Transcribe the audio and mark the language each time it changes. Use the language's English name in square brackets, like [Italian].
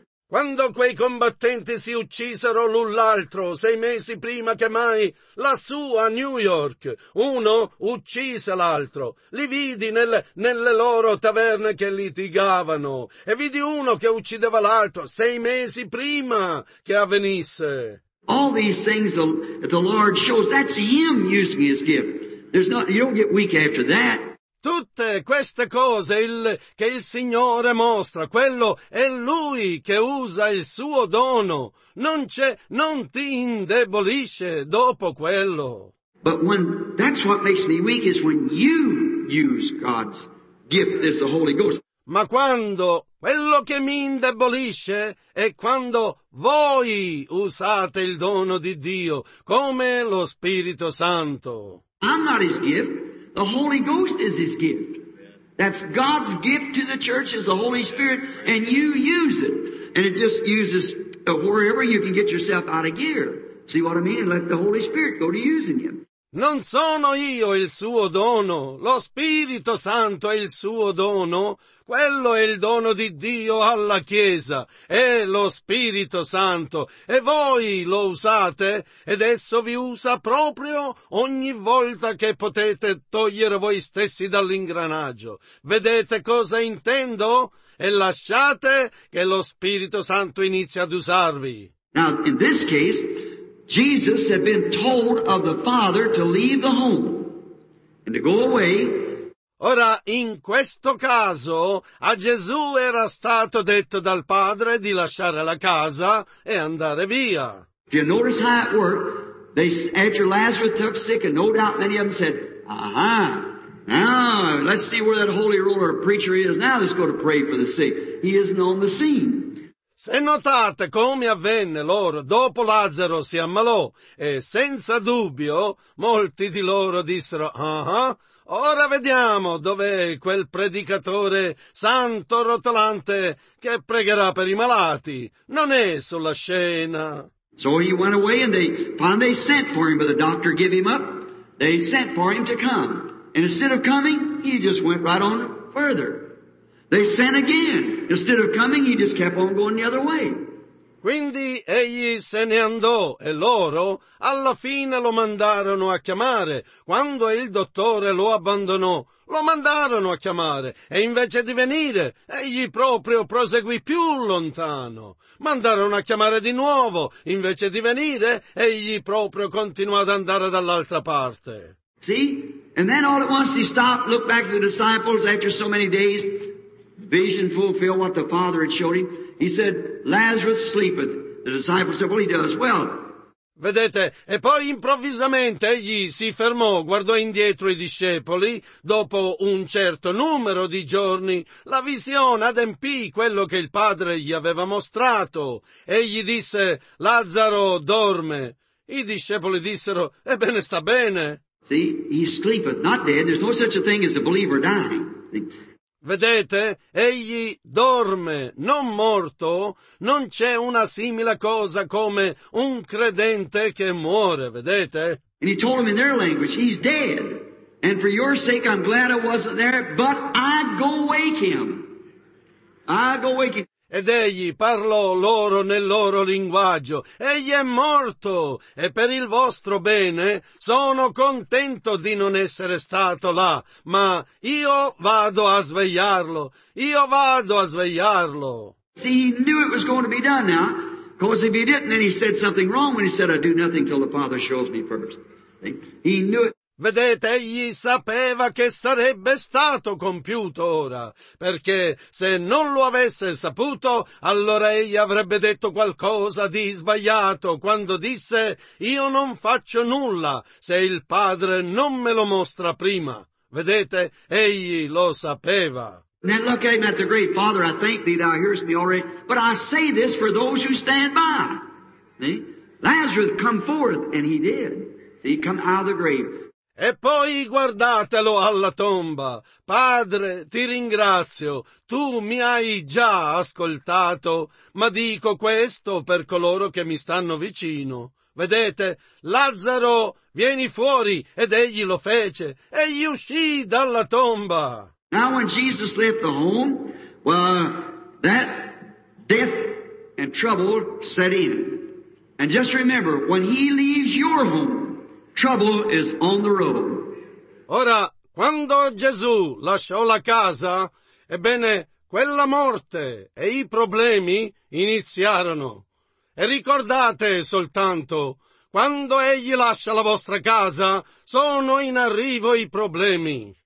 [Italian] Quando quei combattenti si uccisero l'un l'altro 6 mesi prima che mai, lassù a New York, uno uccise l'altro. Li vidi nelle loro taverne che litigavano e vidi uno che uccideva l'altro 6 mesi prima che avvenisse. [English] All these things that the Lord shows, that's Him using His gift. There's not, you don't get weak after that. [Italian] Tutte queste cose che il Signore mostra, quello è Lui che usa il suo dono. Non ti indebolisce dopo quello. [English] But when, that's what makes me weak is when you use God's gift as the Holy Ghost. [Italian] Ma quando, quello che mi indebolisce è quando voi usate il dono di Dio come lo Spirito Santo. [English] I'm not His gift. The Holy Ghost is His gift. That's God's gift to the church is the Holy Spirit, and you use it. And it just uses wherever you can get yourself out of gear. See what I mean? Let the Holy Spirit go to using you. [Italian] Non sono io il suo dono, lo Spirito Santo è il suo dono, quello è il dono di Dio alla Chiesa, è lo Spirito Santo, e voi lo usate, ed esso vi usa proprio ogni volta che potete togliere voi stessi dall'ingranaggio. Vedete cosa intendo? E lasciate che lo Spirito Santo inizi ad usarvi. [English] Now, in this case, Jesus had been told of the Father to leave the home and to go away. [Italian] Ora, in questo caso, a Gesù era stato detto dal Padre di lasciare la casa e andare via. [English] If you notice how it worked, they, after Lazarus took sick, and no doubt many of them said, aha, now let's see where that holy ruler or preacher is now, let's go to pray for the sick. He isn't on the scene. [Italian] Se notate come avvenne loro dopo Lazzaro si ammalò, e senza dubbio molti di loro dissero, ora vediamo dov'è quel predicatore santo rotolante che pregherà per i malati, non è sulla scena. [English] So he went away and they sent for him, but the doctor gave him up. They sent for him to come. And instead of coming, he just went right on further. They sent again. Instead of coming, he just kept on going the other way. [Italian] Quindi egli se ne andò e loro alla fine lo mandarono a chiamare. Quando il dottore lo abbandonò, lo mandarono a chiamare e invece di venire, egli proprio proseguì più lontano. Mandarono a chiamare di nuovo, invece di venire, egli proprio continuò ad andare dall'altra parte. [English] See? And then all at once he stopped, looked back at the disciples after so many days. Vision fulfilled what the Father had showed him. He said, Lazarus sleepeth. The disciples said, well, he does well. [Italian] Vedete, e poi improvvisamente egli si fermò, guardò indietro i discepoli. Dopo un certo numero di giorni, la visione adempì quello che il Padre gli aveva mostrato. Egli disse, Lazzaro dorme. I discepoli dissero, ebbene sta bene. [English] See, he sleepeth, not dead. There's no such a thing as a believer dying. [Italian] Vedete, egli dorme, non morto, non c'è una simile cosa come un credente che muore, vedete? [English] And he told him in their language, he's dead, and for your sake I'm glad I wasn't there, but I go wake him. I go wake him. [Italian] ed egli parlò loro nel loro linguaggio. Egli è morto, e per il vostro bene sono contento di non essere stato là, ma io vado a svegliarlo, io vado a svegliarlo. [English] See, he knew it was going to be done now, because if he didn't, then he said something wrong when he said, I do nothing till the Father shows me first. He knew it. [Italian] Vedete, egli sapeva che sarebbe stato compiuto ora, perché se non lo avesse saputo, allora egli avrebbe detto qualcosa di sbagliato quando disse, io non faccio nulla se il Padre non me lo mostra prima. Vedete, egli lo sapeva. [English] Then look at him at the great Father, I thank thee thou hearest me already, but I say this for those who stand by. See? Lazarus come forth, and he did. He come out of the grave. [Italian] E poi guardatelo alla tomba. Padre, ti ringrazio. Tu mi hai già ascoltato, ma dico questo per coloro che mi stanno vicino. Vedete, Lazzaro, vieni fuori, ed egli lo fece. Egli uscì dalla tomba. [English] Now when Jesus left the home, well, that death and trouble set in. And just remember, when he leaves your home, trouble is on the road. [Italian] Ora, quando Gesù lasciò la casa, ebbene, quella morte e i problemi iniziarono. E ricordate soltanto, quando egli lascia la vostra casa, sono in arrivo i problemi.